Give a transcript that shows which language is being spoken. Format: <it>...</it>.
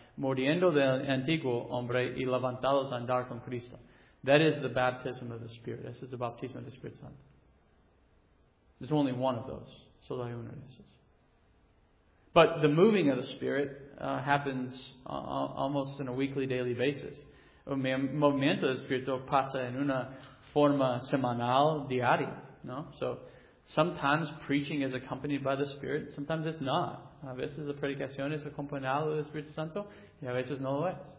<es>Muriendo del antiguo hombre y levantados a andar con Cristo.</es> <en>That is the baptism of the Spirit. This is the baptism of the Spirit Santo. There's only one of those.</en> <es>Solo hay uno de esos.</es> <en>But the moving of the Spirit happens almost on a weekly, daily basis.</en> <es>Movimiento del Espíritu pasa en una forma semanal, diaria.</es> <en>No, so sometimes preaching is accompanied by the Spirit. Sometimes it's not.</en> <es>A veces la predicación es acompañada del Espíritu Santo, y a veces no lo es.</es>